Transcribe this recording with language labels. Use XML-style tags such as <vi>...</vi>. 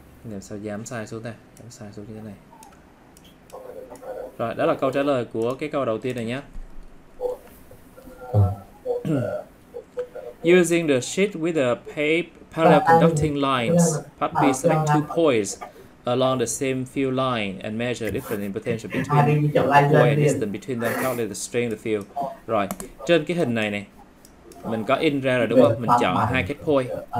<vi>Làm sao giảm sai xuống đây, giảm sai xuống như thế này. Rồi, đó là câu trả lời của cái câu đầu tiên này nhé.</vi> <en>Using the sheet with the parallel conducting lines, part B select two points along the same field line and measure difference in potential between the point and distance between them, calculate the strength of the field.</en> <vi>Rồi, trên cái hình này này, mình có in ra rồi đúng không? Mình chọn hai cái point.</vi>